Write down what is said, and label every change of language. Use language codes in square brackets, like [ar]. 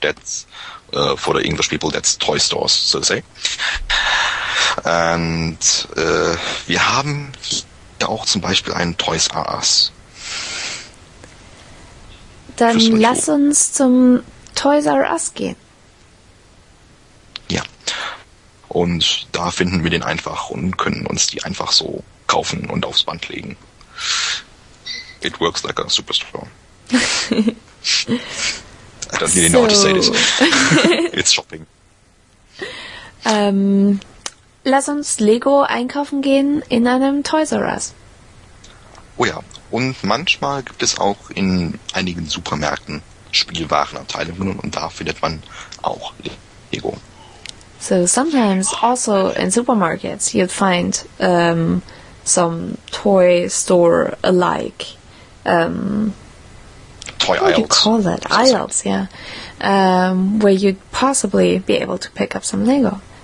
[en] That's for the English people, that's toy stores, so to say. [de] Und wir haben hier auch zum Beispiel einen Toys R Us. Dann lass uns zum Toys R Us gehen. Ja. Und da finden wir den einfach und können uns die einfach so kaufen und aufs Band legen. [en] It works like a superstore. I don't really know how to say this. It's shopping. [de] Lass uns Lego einkaufen gehen in einem Toys R Us. Oh ja, und manchmal gibt es auch in einigen Supermärkten Spielwarenabteilungen und da findet man auch Lego. [en] So sometimes also in supermarkets you'd find some toy store alike. Toy aisles. What do you call that? Aisles, yeah. Where you'd possibly be able to pick up some Lego.